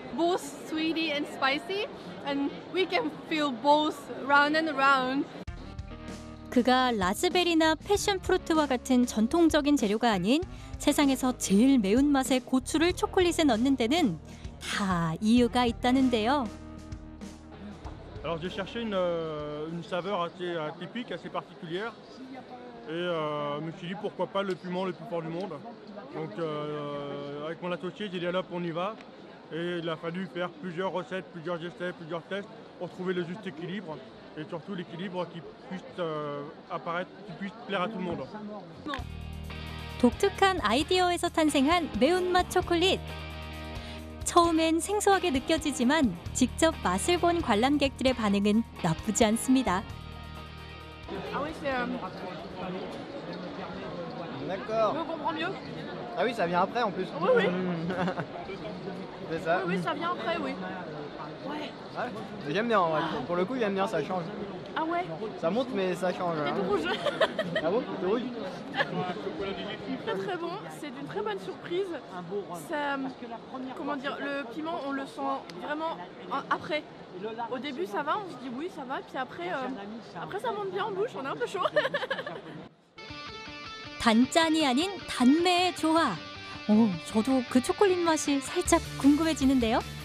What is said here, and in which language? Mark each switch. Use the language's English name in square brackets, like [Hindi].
[English] Both sweetie and spicy, and we can feel both round and round. [Korean] 그가 라즈베리나 패션프루트와 같은 전통적인 재료가 아닌 세상에서 제일 매운맛의 고추를 초콜릿에 넣는 데는 다 이유가 있다는데요. [French] Alors je cherchais une saveur assez atypique, assez particulière. Et me suis dit pourquoi pas le piment le plus fort du monde. Donc avec mon associé, j'ai dit allez hop, on y va. Et il a fallu faire plusieurs recettes, plusieurs essais, plusieurs tests pour trouver le juste équilibre. Et surtout l'équilibre qui puisse apparaître, qui puisse plaire à tout le monde. [Korean] 독특한 아이디어에서 탄생한 매운맛 초콜릿. 처음엔 생소하게 느껴지지만 직접 맛을 본 관람객들의 반응은 나쁘지 않습니다. [French] D'accord. On comprend mieux. Ah oui, ça vient après en plus. Oui, oui. C'est ça. Oui, oui, ça vient après, oui. Ouais. Ouais. J'aime bien, ouais. Pour le coup, j'aime bien, ça change. Ah ouais? Ça monte, mais ça change. C'est tout rouge. Ah bon? C'est rouge? Très très bon, c'est une très bonne surprise. Ça, comment dire, le piment, on le sent vraiment après. Au début, ça va, on se dit oui, ça va, puis après, après ça monte bien en bouche, on est un peu chaud. [Korean] 단짠이 아닌 단매의 조화. 오, 저도 그 초콜릿 맛이 살짝 궁금해지는데요.